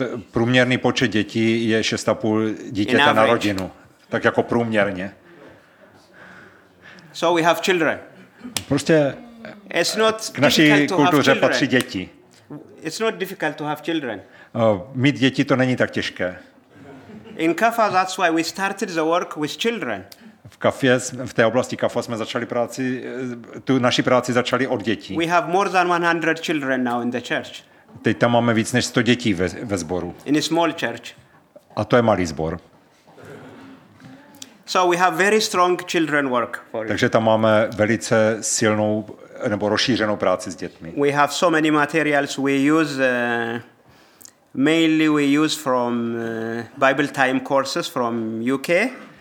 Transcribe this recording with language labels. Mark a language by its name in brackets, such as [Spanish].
[Czech] Průměrný počet dětí je 6,5 dítěte na rodinu. Tak jako průměrně. [English] So we have children. [Czech] Prostě [English] it's not [Czech] k naší kultuře patří děti. [English] It's not difficult to have children. [Czech] Mít děti to není tak těžké. [English] In Kafa, that's why we started the work with children. [Czech] V té oblasti Kafa jsme začali práci, tu naši práci začali od dětí. [English] We have more than 100 children now in the church. [Czech] Teď tam máme víc než 100 dětí ve sboru. [English] In a small church. [Czech] A to je malý sbor. [English] So we have very strong children work for. [Czech] Takže tam máme velice silnou nebo rozšířenou práci s dětmi. [English] We have so many materials we use mainly we use from Bible time courses from UK.